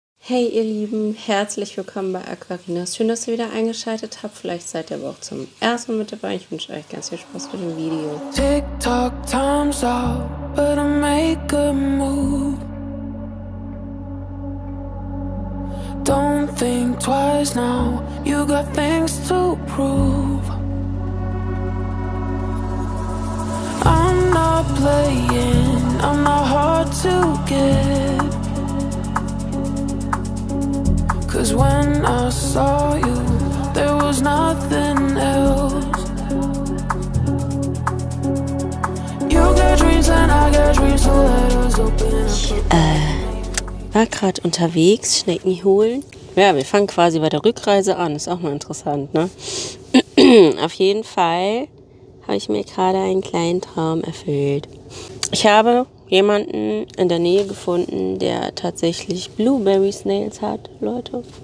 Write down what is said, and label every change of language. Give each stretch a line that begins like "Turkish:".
German: Hey ihr Lieben, herzlich willkommen bei Aquarina. Schön, dass ihr wieder eingeschaltet habt. Vielleicht seid ihr aber auch zum ersten Mal mit dabei. Ich wünsche euch ganz viel Spaß mit dem Video.
English: TikTok, time's up, but I make a move. Don't think twice now, you got things to prove. I'm not playing, I'm not hard to get. Cause when I saw you, there was nothing else. You got dreams and I got dreams, so let us open up.
German: War gerade unterwegs, Schnecken holen. Ja, wir fangen quasi bei der Rückreise an. Ist auch mal interessant, ne? Auf jeden Fall habe ich mir gerade einen kleinen Traum erfüllt. Ich habe jemanden in der Nähe gefunden, der tatsächlich Blueberry Snails hat, Leute.